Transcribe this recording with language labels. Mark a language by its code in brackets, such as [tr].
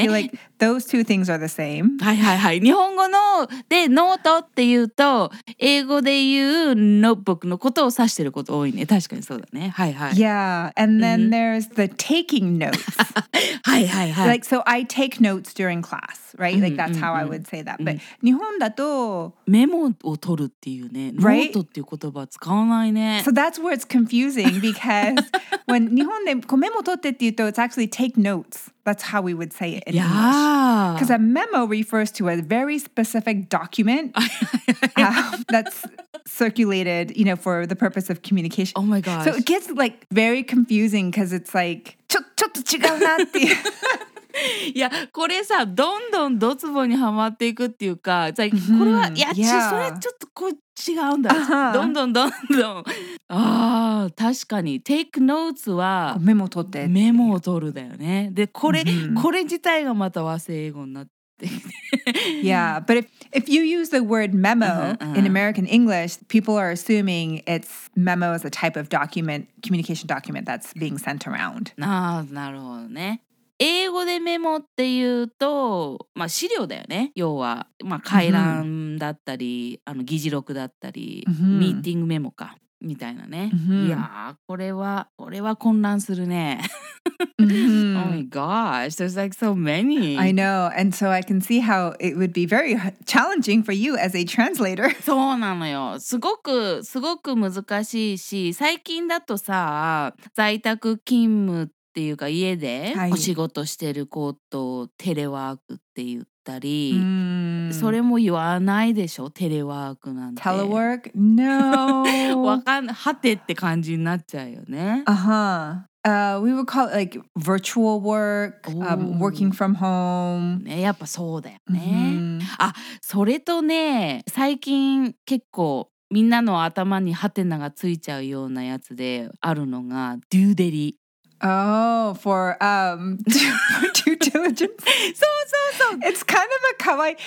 [en] I feel like those two things are the same. [ja] はいはいはい。日本語のでノートっていうと、英語で言うノート僕のことを指してること多いね。確かにそうだね。はいはい。 [en] Yeah, and then there's the taking notes. [ja] はいはいはい。 [en] Like, so I take notes during class, right? Like, that's how I would say that. [ja] But 日本だと、メモを取るっていうね。 [en] Right? [ja] ノートっていう言葉使わないね。 [en] So that's where it's confusing, because when [ja] 日本でこうメモ取ってって言うと、 [en] it's actually take notes. That's how we would say it in English. Because a memo refers to a very specific document that's circulated, you know, for the purpose of communication. Oh my gosh. So it gets like very confusing because it's like, [ja] ちょっと違うなっていう。いやこれさどんどんドツボにはまっていくっていうか、like, これはいや、それちょっとこう違うんだ、どんどんどんどんああ確かに [en] take notes [ja] はメモ取ってメモを取るだよねでこれ、これ自体がまた和製英語になって [en] Yeah, but if you use the word memo in American English, people are assuming it's memo as a type of document, communication document that's being sent around. [ja] Ah, なるほどね。英語でメモっていうと、まあ資料だよね。要は、まあ回覧だったり、mm-hmm. あの議事録だったり、mm-hmm. ミーティングメモか。みたいなね。 Mm-hmm. いやーこれは混乱するね。 [en] mm-hmm. Oh my gosh, there's like so many. I know, and so I can see how it would be very challenging for you as a translator. [ja] そうなのよ。すごく難しいし、最近だとさ、在宅勤務っていうか家でお仕事してる子とテレワークっていう。たり、それも言わないでしょ、テレワークなんて。 [en] Telework? No! [ja] わかん、はてって感じになっちゃうよね。 [en] We would call it like virtual work, working from home. [ja] ね、やっぱそうだよね。 Mm-hmm. あ、それとね、最近結構みんなの頭にはてながついちゃうようなやつであるのが、デューデリ。 [en] Oh, for due diligence. [ja] そうそうそう。 [en] It's kind of a kawaii.